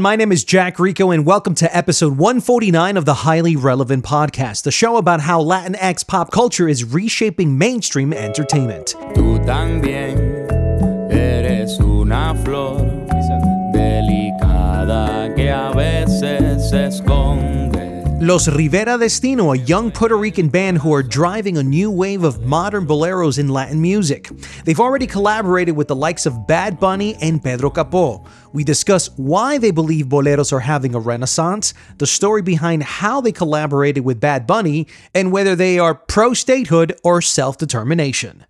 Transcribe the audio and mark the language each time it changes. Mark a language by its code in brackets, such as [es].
[en] My name is Jack Rico, and welcome to episode 149 of the Highly Relevant Podcast, the show about how Latinx pop culture is reshaping mainstream entertainment. [es] Tú también eres una flor delicada que a veces se esconde. [en] Los Rivera Destino, a young Puerto Rican band who are driving a new wave of modern boleros in Latin music. They've already collaborated with the likes of Bad Bunny and Pedro Capó. We discuss why they believe boleros are having a renaissance, the story behind how they collaborated with Bad Bunny, and whether they are pro-statehood or self-determination.